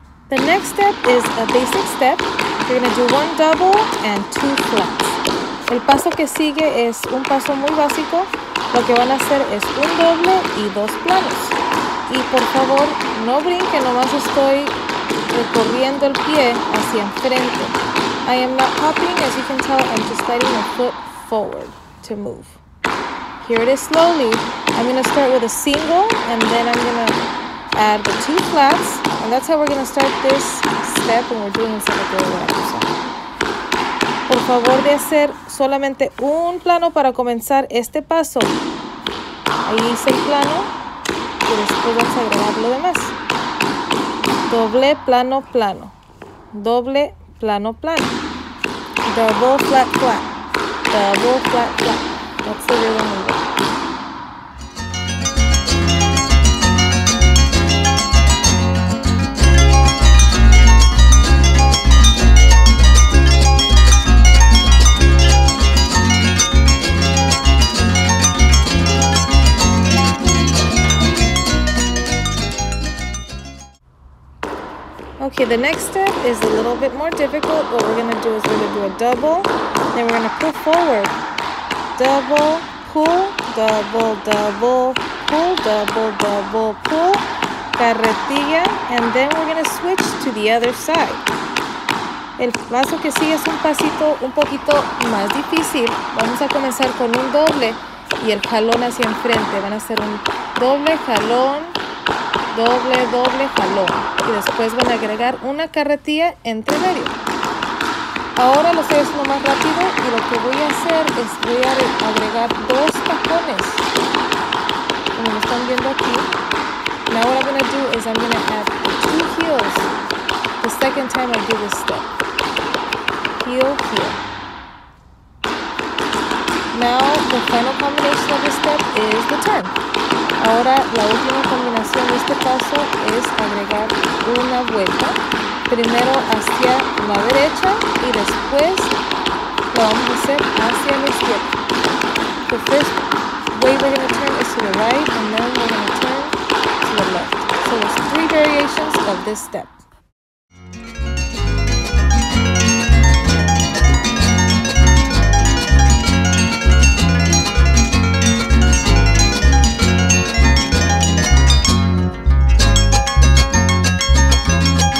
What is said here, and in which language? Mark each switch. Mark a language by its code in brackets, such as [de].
[en] The next step is a basic step. You're going to do 1 double and 2 flats. [es] El paso que sigue es un paso muy básico. Lo que van a hacer es un doble y 2 planos. Y por favor, no brinquen, nomás estoy recorriendo el pie hacia enfrente. [en] I am not hopping, as you can tell, I'm just sliding my foot forward to move. Here it is slowly. I'm going to start with a single and then I'm going to add the 2 flats. And that's how we're going to start this step when we're doing the Zapateado Veracruzano. Por favor, de hacer solamente un plano para comenzar este paso. Ahí hice el plano y después vamos a agregar lo demás. [es] Doble, plano, plano. Doble, plano, plano. [en] Double, flat, flat. Double, flat, flat. That's the rhythm we got. Okay, the next step is a little bit more difficult. What we're going to do is we're going to do a double, then we're going to pull forward. Double, pull, double, double, pull, double, double, pull, carretilla, and then we're going to switch to the other side. [es] El paso que sigue es un pasito un poquito más difícil. Vamos a comenzar con un doble y el jalón hacia enfrente. Van a hacer un doble jalón. Doble, doble, jalón. Y después van a agregar una carretilla entre medio. Ahora lo estoy haciendo más rápido y lo que voy a hacer es voy a agregar 2 tacones. Como lo están viendo aquí. [en] Now what I'm going to do is I'm going to add 2 heels. The second time I do this step. Heel, heel. Now the final combination of the step is the turn. [es] Ahora, la última combinación de este paso es agregar una vuelta. Primero hacia la derecha y después lo vamos a hacer hacia la izquierda. [en] The first way we're going to turn is to the right and then we're going to turn to the left. So there's 3 variations of this step. Thank you.